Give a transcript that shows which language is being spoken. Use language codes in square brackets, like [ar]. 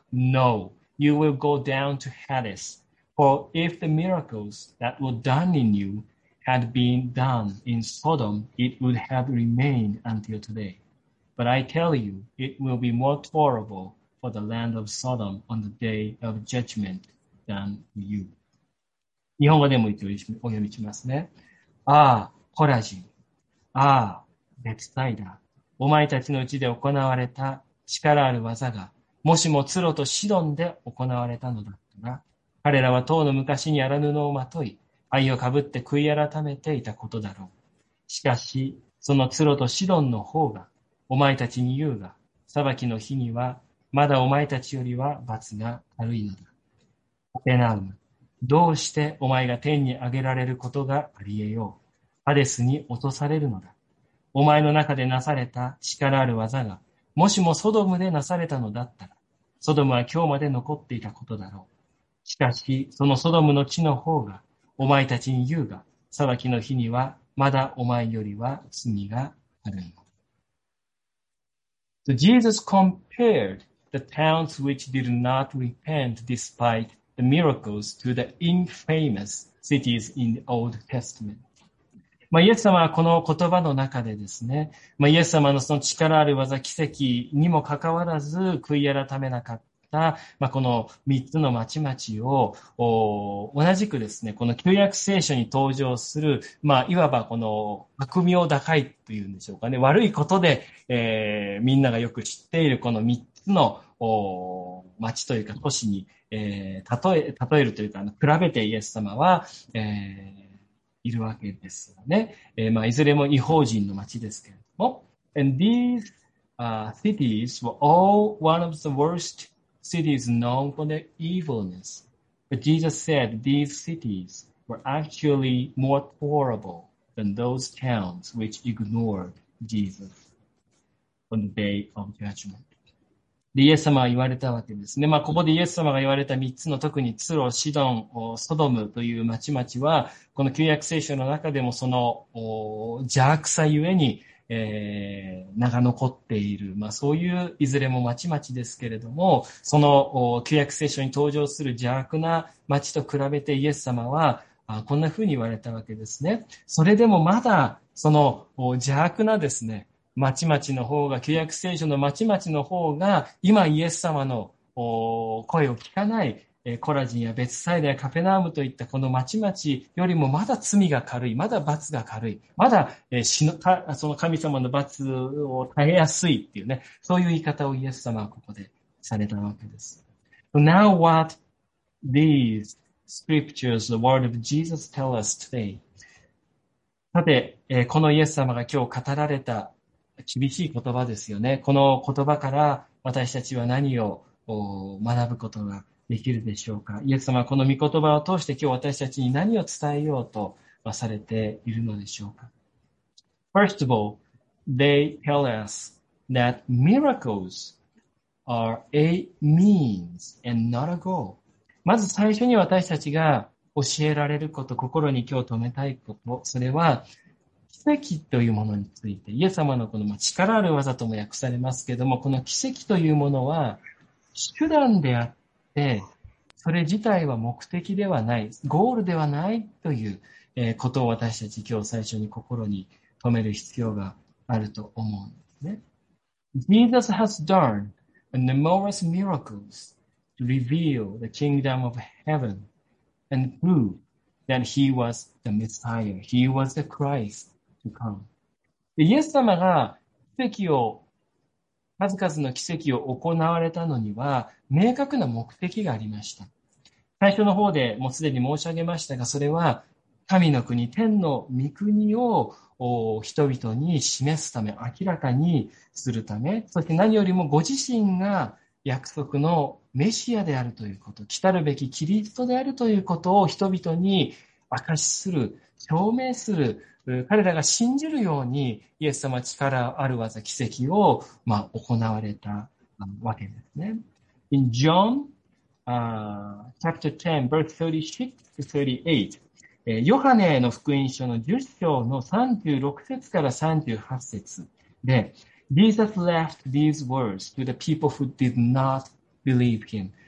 [en] No, you will go down to Hades. For if the miracles that were done in you had been done in Sodom, it would have remained until today. But I tell you, it will be more tolerable for the land of Sodom on the day of judgment than for you. [ja] 日本語でも一応お読みしますね。ああ、コラジン。ああ、ベツサイダ。お前たちのうちで行われた力ある技が、もしもツロとシドンで行われたのだったら、彼らは当の昔に荒布をまとい、愛をかぶって悔い改めていたことだろう。しかし、そのツロとシドンの方が、お前たちに言うが、裁きの日には、まだお前たちよりは罰が軽いのだ。カペナウム、どうしてお前が天に上げられることがありえよう。ハデスに落とされるのだ。お前の中でなされた力ある技が、もしもソドムでなされたのだったら、ソドムは今日まで残っていたことだろう。しかし、そのソドムの地の方が、お前たちに言うが、裁きの日には、まだお前よりは罪があるの。 [en] So Jesus compared the towns which did not repent despite the miracles to the infamous cities in the Old Testament. [ja] まあ、イエス様はこの言葉の中でですね、まあ、イエス様のその力ある技、奇跡にもかかわらず悔い改めなかった。まあ、この3つの町々を同じくですね、この旧約聖書に登場する、まあ、いわばこの悪名高いというんでしょうかね、悪いことで、みんながよく知っているこの3つの町というか都市に、例えるというか比べてイエス様は、いるわけですよね、まあ、いずれも異邦人の町ですけれども [en] And these cities were all one of the worstcities known for their evilness. But Jesus said these cities were actually more tolerable than those towns which ignored Jesus on the day of judgment. [ja] で、イエス様は言われたわけですね。まあ、ここでイエス様が言われた3つの特にツロ、シドン、ソドムという町々は、この旧約聖書の中でもその邪悪さゆえに、名が残っている、まあ、そういういずれも町々ですけれども、その旧約聖書に登場する邪悪な町と比べてイエス様はこんなふうに言われたわけですね。それでもまだその邪悪なですね、町々の方が、旧約聖書の町々の方が今イエス様の声を聞かない、コラジンやベツサイダやカペナウムといったこの町々よりもまだ罪が軽い、まだ罰が軽い、まだ死のその神様の罰を耐えやすいっていうね、そういう言い方をイエス様はここでされたわけです。 [en] So、now what these scriptures, the word of Jesus tell us today? [ja] さて、このイエス様が今日語られた厳しい言葉ですよね。この言葉から私たちは何を学ぶことができるでしょうか。イエス様、この御言葉を通して今日私たちに何を伝えようとされているのでしょうか。 [en] First of all, they tell us that miracles are a means and not a goal. [ja] まず最初に私たちが教えられること、心に今日留めたいこと、それは奇跡というものについて、イエス様のこの力ある技とも訳されますけれども、この奇跡というものは手段であって、それ自体は目的ではない、ゴールではないということを私たち今日最初に心に留める必要があると思うんですね。 [en] Jesus has done numerous miracles to reveal the kingdom of heaven and prove that he was the Messiah, he was the Christ to come. [ja] イエス様が奇跡を、数々の奇跡を行われたのには明確な目的がありました。最初の方でもうすでに申し上げましたが、それは神の国、天の御国を人々に示すため、明らかにするため、そして何よりもご自身が約束のメシアであるということ、来たるべきキリストであるということを人々に明かしする、証明する、彼らが信じるようにイエス様、力ある技、奇跡を、行われたわけですね。 [en] In John chapter 10 verse 36 to 38、 [ja] ヨハネの福音書の10章の36節から38節で、 [en] Jesus left these words to the people who did not believe him.